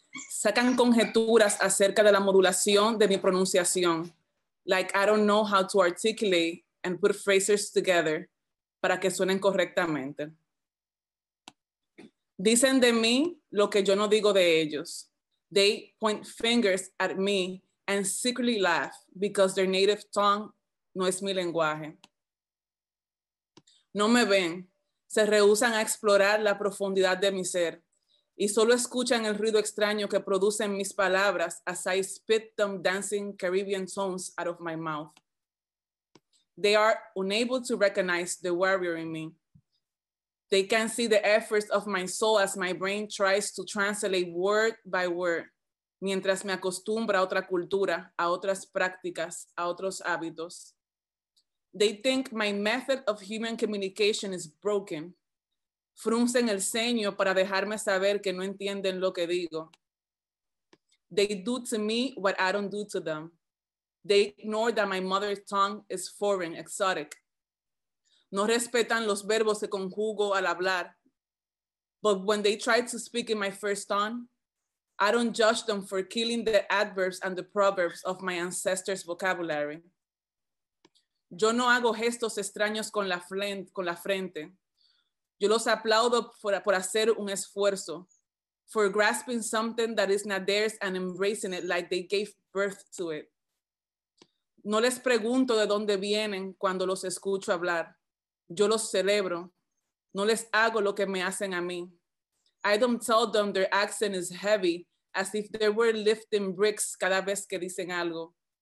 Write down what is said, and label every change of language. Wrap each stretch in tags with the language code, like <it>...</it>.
<es>Sacan conjeturas acerca de la modulación de mi pronunciación.</es> <en>Like I don't know how to articulate and put phrases together</en> <es>para que suenen correctamente. Dicen de mí lo que yo no digo de ellos.</es> <en>They point fingers at me and secretly laugh because their native tongue</en> <es>no es mi lenguaje. No me ven, se rehúsan a explorar la profundidad de mi ser y solo escuchan el ruido extraño que producen mis palabras</es> <en>as I spit them dancing Caribbean tones out of my mouth. They are unable to recognize the warrior in me. They can see the efforts of my soul as my brain tries to translate word by word,</en> <es>mientras me acostumbra a otra cultura, a otras prácticas, a otros hábitos.</es> <en>They think my method of human communication is broken.</en> <es>Fruncen el ceño para dejarme saber que no entienden lo que digo.</es> <en>They do to me what I don't do to them. They ignore that my mother's tongue is foreign, exotic.</en> <es>No respetan los verbos que conjugo al hablar.</es> <en>But when they try to speak in my first tongue, I don't judge them for killing the adverbs and the proverbs of my ancestors' vocabulary.</en> <es>Yo no hago gestos extraños con la frente. Yo los aplaudo por hacer un esfuerzo,</es> <en>for grasping something that is not theirs and embracing it like they gave birth to it.</en> <es>No les pregunto de dónde vienen cuando los escucho hablar. Yo los celebro. No les hago lo que me hacen a mí.</es> <en>I don't tell them their accent is heavy as if they were lifting bricks</en> <es>cada vez que dicen algo.</es>